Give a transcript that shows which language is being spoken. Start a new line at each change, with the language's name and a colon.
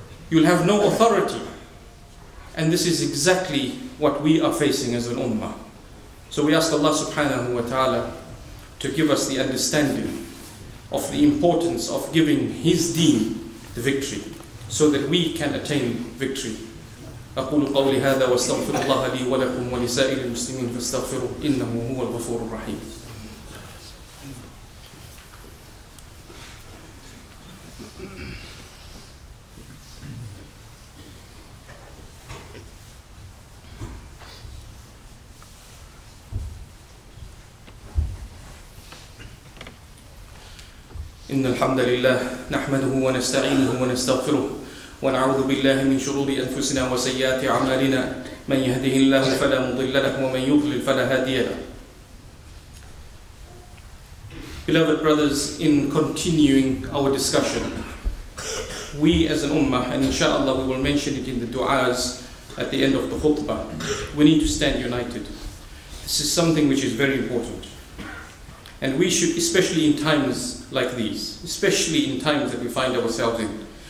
English: You'll have no authority. And this is exactly what we are facing as an ummah. So we ask Allah subhanahu wa ta'ala to give us the understanding of the importance of giving His deen the victory so that we can attain victory.
Arabic: أقول قولي هذا واستغفر الله لي ولكم ولسائر المسلمين فاستغفروه إنه هو الغفور الرحيم. إن الحمد لله نحمده ونستعينه ونستغفره ونعوذ بالله من شرور أنفسنا وسيئات أعمالنا من يهده الله فلا مضل له ومن يضلل فلا هادي له.
English: Beloved brothers, in continuing our discussion, we as an ummah, and inshallah we will mention it in the du'as at the end of the khutbah, we need to stand united. This is something which is very important. And we should, especially in times like these, especially in times that we find ourselves in.